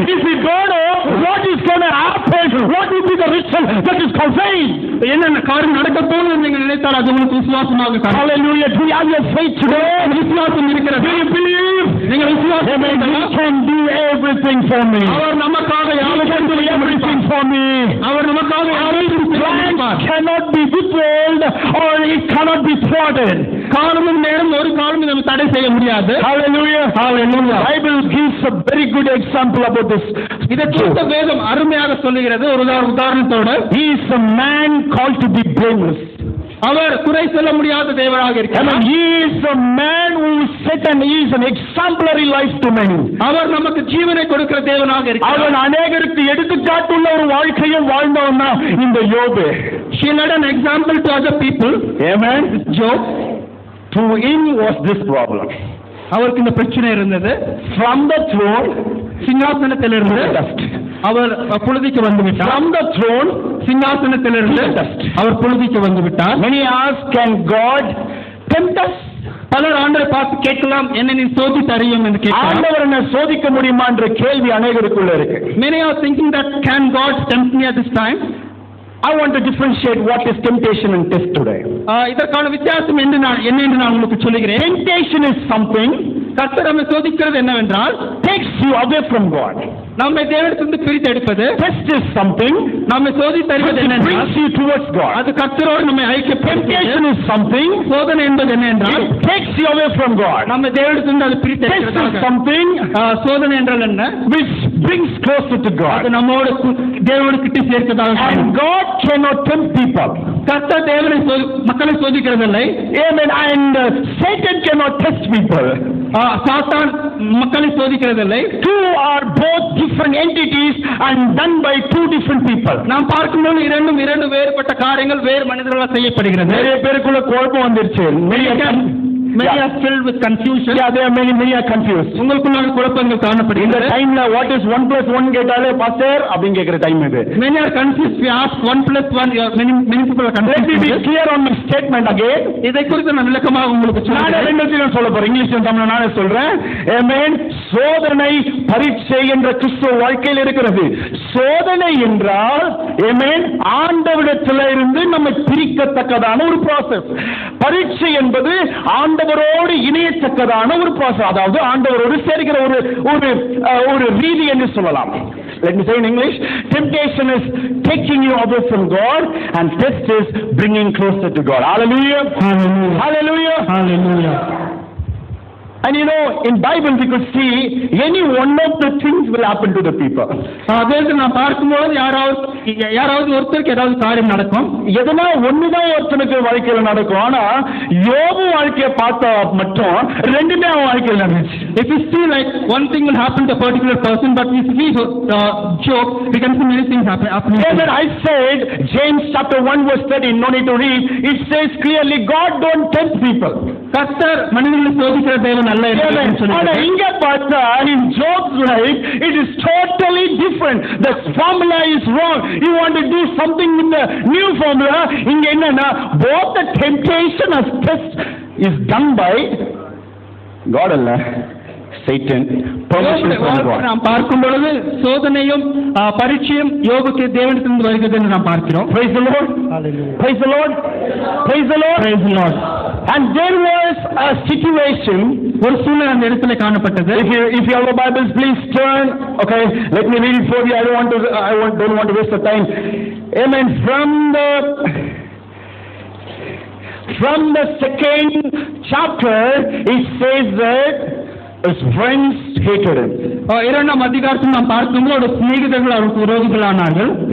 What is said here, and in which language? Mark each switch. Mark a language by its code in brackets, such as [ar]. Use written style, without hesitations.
[en] If you don't know what is going to happen, what will be the result that is conveyed? [ta] என்ன காரியம் நடக்க போகுதுன்னு நீங்க நினைத்தால் அது உங்களுக்கு விசுவாசமாக காணும். [en] Hallelujah. Do you have faith today? [ta] விசுவாசம் இருக்கிறது. [en] Do you believe? [ta] நீங்க விசுவாசம். [en] He can do everything for me. [ta] அவர் நமக்காக [en] everything for me. [ta] அவர் நமக்காக [en] cannot be withheld or it cannot be thwarted. [ta] காலமும் நேரம் ஒரு காலம் நம்ம தடை செய்ய முடியாது. [en] Hallelujah. Hallelujah. Bible gives a very good example about this. [ta] இதற்கு இந்த வேதம் அருமையாக சொல்லுகிறது. ஒரு உதாரணத்தோடு, [en] he is a man called to be blameless. [ta] அவர் குறை சொல்ல முடியாத தேவராக இருக்கிறார். [en] He is a man who set and he is an exemplary life to many. [ta] அவர் நமக்கு ஜீவனை கொடுக்கிற தேவனாக இருக்கிறார். அவன் அநேகருக்கு எடுத்துக்காட்டுள்ள ஒரு வாழ்க்கையை வாழ்ந்தவன் தான் இந்த யோபு. [en] He led an example to other people. Amen. Job. To him was this problem. [ta] அவருக்கு இந்த பிரச்சனை இருந்தது. [en] From the throne, [ta] சிங்காசனத்திலிருந்து அவர் புழுதிக்கு வந்துவிட்டார். [en] From the throne, [ta] சிங்காசனத்திலிருந்து அவர் புழுதிக்கு வந்துவிட்டார். [en] Many ask, can God tempt us? [ta] பலர் ஆண்டவரை பார்த்து கேட்கலாம், என்ன நீ சோதி தரையும் என்று கேட்கலாம். ஆண்டவர் என்ன சோதிக்க முடியுமான்ற கேள்வி அநேகருக்குள்ள இருக்கு. [en] Many are thinking that can God tempt me at this time? I want to differentiate what is temptation and test today. [ta] இதற்கான வித்தியாசம் என்ன என்ன என்று நான் உங்களுக்கு சொல்கிறேன். [en] Temptation is something, [ta] கர்த்தர் நம்மை சோதிக்கிறது என்னவென்றால், [en] takes you away from God. [ta] நம்மை தேவனிடத்திலிருந்து பிரித்து எடுப்பது. [en] Test is something, [ta] நம்மை சோதி தருவது என்ன, [en] brings you towards God. [ta] அது கர்த்தரோடு நம்மை ஐக்கிய. [en] Temptation is something, [ta] சோதனை என்பது என்ன என்றால், [en] takes you away from God. [ta] நம்மை தேவனிடத்திலிருந்து அது பிரித்து எடுக்கிறது. [en] Test is something, [ta] சோதனை என்றால் என்ன, [en] which brings closer to God. [ta] அது நம்மோடு தேவனுக்கிட்ட சேர்க்கதாக. [en] And God cannot tempt people. [ta] கர்த்தர் தேவனை மக்களை சோதிக்கிறதில்லை. [en] Amen. And Satan cannot test people. [ta] சாத்தான் மக்களை சோதிக்கிறதில்லை. [en] Two are both different entities and done by two different people. [ta] நாம் பார்க்கும்போது இரண்டும் இரண்டு வேறுபட்ட காரியங்கள் வேறு மனிதர்களால் செய்யப்படுகிறது. நிறைய பேருக்குள்ள குழப்பம் வந்துருச்சு. [en] Many are filled with confusion. Yeah, they are many are confused. [ta] உங்களுக்குள்ள குழப்பங்கள் காணப்படும். இந்த டைம்ல [en] what is 1+1 [ta] கேட்டாலே பாஸ்டர் அப்படிங்க கேக்குற டைம் இது. [en] Many are confused. We ask 1+1, many people are confused. Let me be clear on my statement again. [ta] இதை குறித்து நான் விளக்கமாக உங்களுக்கு சொல்றேன். நான் ரெண்டுத்தையும் சொல்ல போறேன். இங்கிலீஷ்ல தமிழ்ல நானே சொல்றேன். Amen. சோதனை பரீட்சை என்ற கிறிஸ்துவ வாழ்க்கையில் இருக்கிறது. சோதனை என்றால் Amen. ஆண்டவரிடத்தில் இருந்து நம்ம பிரிக்கத்தக்கதான ஒரு process. பரீட்சை என்பது ஆண்டவரோடு இணையத்தக்கதான ஒரு process. அதாவது ஆண்டவரோடு சேர்க்கிற ஒரு ஒரு ரீதி என்று சொல்லலாம். [en] Let me say in English, temptation is taking you away from God and test is bringing closer to God. Hallelujah. Hallelujah. Hallelujah. Hallelujah. And you know, in Bible we could see any one of the things will happen to the people. [ta] அதேது நான் பார்க்கும்போது யாராவது ஒருத்தருக்கு ஏதாவது காரியம் நடக்கும். எதனா ஒண்ணுதான் ஒருத்தனுக்கு வாழ்க்கையில நடக்கும். ஆனா யோபு வாழ்க்கையை பார்த்தா மட்டும் ரெண்டுமே அவன் வாழ்க்கையில் நடந்துச்சு. [en] If you see like one thing will happen to a particular person, but if we joke, we can see many things happening. Amen. I said, James chapter 1 verse 13, no need to read. It says clearly, God don't tempt people. [ta] கர்த்தர் மனிதர்களை சோதிக்கிற தேவன் அல்ல என்று இங்க பார்த்தா, [en] in Job's life, it is totally different. The formula is wrong. You want to do something with the new formula. [ta] இங்க என்னன்னா, [en] both the temptation as test is done by God [ta] அல்ல, [en] Satan. [ta] நாம் பார்க்கும் பொழுது சோதனையும் பரீட்சையும் யோகத்தை தேவனிடத்திலிருந்து வருகிறது என்று நாம் பார்க்கிறோம். [en] Praise the Lord. Hallelujah. Praise the Lord. Praise the Lord. Praise the Lord. And there was a situation. [ta] ஒரு சூழ்நிலை அந்த இடத்துல காணப்பட்டது. [en] If you have a Bible, please turn. Okay, let me read it for you. I don't want to waste the time. Amen. From the second chapter, it says that his friends hated him. [ta] இரண்டாம் அதிகாரத்தில் நாம் பார்க்கும்போது அவருடைய சிநேகிதர்கள் அவருக்கு விரோதிகளானார்கள்.